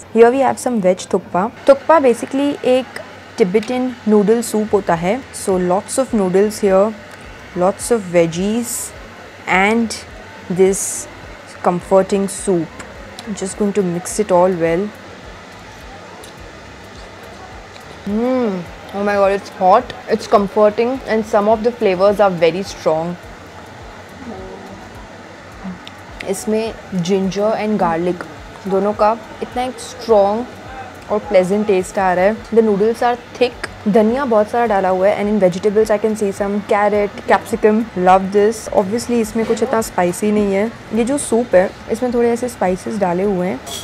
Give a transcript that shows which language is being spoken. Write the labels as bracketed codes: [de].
[en] Here we have some veg thukpa. [hi] Thukpa basically एक Tibetan noodle soup होता है। [en] So lots of noodles here, lots of veggies and this comforting soup. Just going to mix it all well. Oh my god, it's hot, it's comforting, and some of the flavors are very strong. [hi] इसमें ginger and garlic दोनों का इतना एक strong और pleasant test आ रहा है। [en] the noodles are thick, [hi] धनिया बहुत सारा डाला हुआ है, [en] And in vegetables I can see some carrot, capsicum, love this. [hi] Obviously इसमें कुछ इतना स्पाइसी नहीं है। ये जो सूप है इसमें थोड़े ऐसे स्पाइसेस डाले हुए हैं।